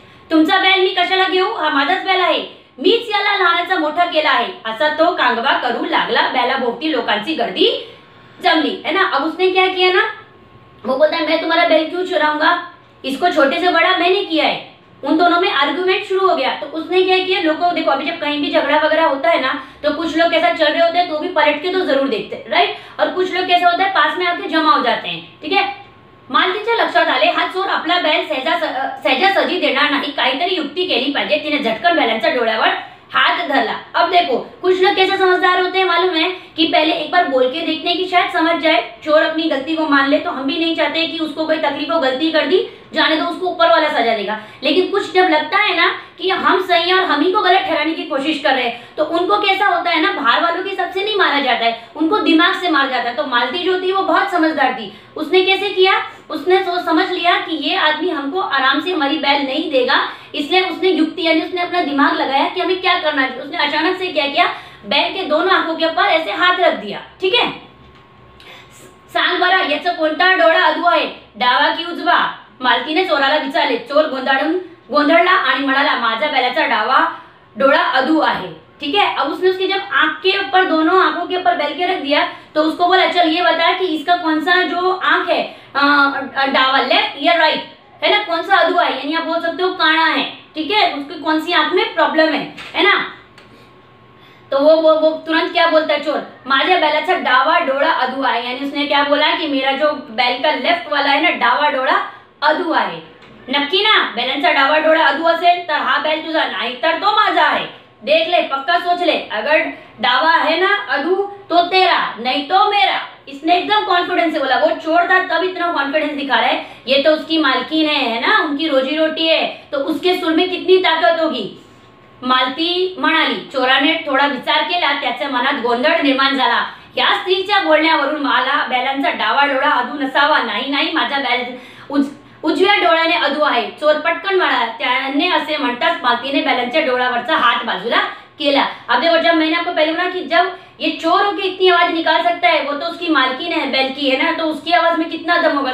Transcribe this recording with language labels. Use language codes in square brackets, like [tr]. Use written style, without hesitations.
[mr] तुमचा बैल मी कशाला घेऊ, हा माझाच बैल आहे, मीच याला लहानाचा मोठा केला आहे, असा तो कांगवा करू लागला, बैला भोवती लोकांची गर्दी जमली, [hi] है ना। अब उसने क्या किया ना, वो बोलता है मैं तुम्हारा बैल क्यों चुराऊंगा, इसको छोटे से बड़ा मैंने किया है, उन दोनों में आर्गुमेंट शुरू हो गया। तो उसने क्या किया, लोगों को देखो अभी जब कहीं भी झगड़ा वगैरह होता है ना तो कुछ लोग कैसा चल रहे होते हैं तो भी पलट के तो जरूर देखते राइट, और कुछ लोग कैसा होता है पास में आके जमा हो जाते हैं, ठीक है। [mr] मालतीच्या लक्षात आले हा चोर आपला बैल सहजासहजी देणार नाही, काहीतरी युक्ती केली पाहिजे, तिने झटकन बैलांच्या डोळ्यावर हात धरला। [hi] अब देखो कुछ लोग कैसे समझदार होते हैं मालूम है कि पहले एक बार बोल के देखते हैं कि शायद समझ जाए, चोर अपनी गलती को मान ले तो हम भी नहीं चाहते कि उसको कोई तकलीफ हो, गलती कर दी जाने दो उसको ऊपर वाला सजा देगा, लेकिन कुछ जब लगता है ना कि हम सही हैं और हम ही को गलत ठहराने की कोशिश कर रहे हैं तो उनको कैसा होता है ना, बाहर वालों के हिसाब से नहीं मारा जाता है, उनको दिमाग से मारा जाता है। तो मालती जो थी वो बहुत समझदार थी, उसने कैसे किया, उसने समझ लिया कि ये आदमी हमको आराम से हमारी बैल नहीं देगा, इसलिए उसने युक्ति यानी उसने अपना दिमाग लगाया कि हमें क्या करना चाहिए। उसने अचानक से क्या किया, बैल के दोनों आंखों के ऊपर ऐसे हाथ रख दिया, ठीक है। [mr] सांग बरा याचा कोणता डोळा अधू आहे, डावा की उजवा, मालकीने चोराला विचारले, चोर गोंधळला आणि म्हणाला माझ्या बैलाचा डावा डोळा अधू आहे, [hi] ठीक है। अब उसने उसके जब आंख के ऊपर दोनों आंखों के ऊपर बैल के रख दिया तो उसको बोला चल ये बता कि इसका कौन सा जो आंख है डावा लेफ्ट या राइट, है ना, कौन सा अधूआ है, यानी आप बोल सकते हो काणा है, ठीक है, उसकी कौन सी आंख में प्रॉब्लम है ना। तो वो तुरंत क्या बोलता है चोर, [mr] माझ्या बैलाचा डावा डोळा [hi] अधूआ है, यानी उसने क्या बोला कि मेरा जो बैल का लेफ्ट वाला है ना डावा डोळा अधूआ है, [mr] नक्की ना बैलांचा डावा डोळा अधू असेल तर हा बैल तुझा, नाही तर तो माझा आहे, [hi] देख ले पक्का सोच ले, अगर डावा है ना अधू तो तेरा नहीं तो मेरा, इसने एकदम कॉन्फिडेंस से बोला। वो चोर था तब इतना कॉन्फिडेंस दिखा रहा है, ये तो उसकी मालकिन है ना, उनकी रोजी रोटी है, तो उसके सुर में कितनी ताकत होगी। [mr] मालती मनाली, चोरा ने थोड़ा विचार केला, त्याच्या मनात गोंधळ निर्माण झाला, या स्त्रीच्या बोलण्यावरून माला बैलांचा डावा डोळा अधू नसावा, नाही नाही माझा बैल उजव्या डोळ्याने अधू आहे, चोर पटकन म्हणाला। त्याने असे म्हणताच मालतीने बैलांच्या डोळ्यावरचा हात बाजूला केला। [hi] अब देखो, जब मैंने आपको पहले बोला कि जब ये चोरों की इतनी आवाज निकाल सकता है, वो तो उसकी मालकिन है, बैल की है ना, तो उसकी आवाज में कितना दम होगा।